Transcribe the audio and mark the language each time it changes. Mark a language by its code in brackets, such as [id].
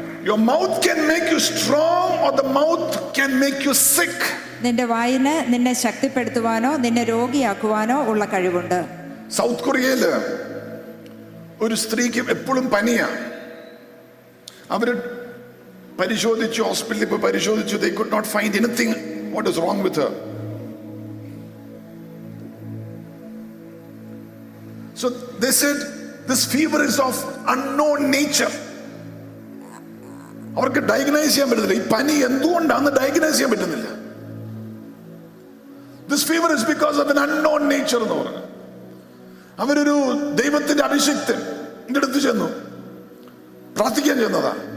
[en] Your mouth can make you strong or the mouth can make you sick. [ml] നിന്റെ വായിന് നിന്നെ ശക്തിപ്പെടുത്തുവാനോ നിന്നെ രോഗിയാക്കുവാനോ ഉള്ള കഴിവുണ്ട്. സൗത്ത് കൊറിയയിൽ ഒരു സ്ത്രീക്ക് എപ്പോഴും പനിയാ. അവർ പരിശോധിച്ചു, ഹോസ്പിറ്റലിൽ പോയി പരിശോധിച്ചു. [en] They could not find anything what is wrong with her. So they said this fever is of unknown nature. [ml] അവർക്ക് ഡയഗ്നൈസ് ചെയ്യാൻ പറ്റുന്നില്ല. ഈ പനി എന്തുകൊണ്ടാന്ന് ഡയഗ്നൈസ് ചെയ്യാൻ പറ്റുന്നില്ല. [en] This fever is because of an unknown nature [ml] എന്ന് പറഞ്ഞു. അവരൊരു ദൈവത്തിന്റെ അഭിഷിക്തൻ എന്റെ അടുത്ത് ചെന്നു, പ്രാർത്ഥിക്കാൻ ചെന്നതാ.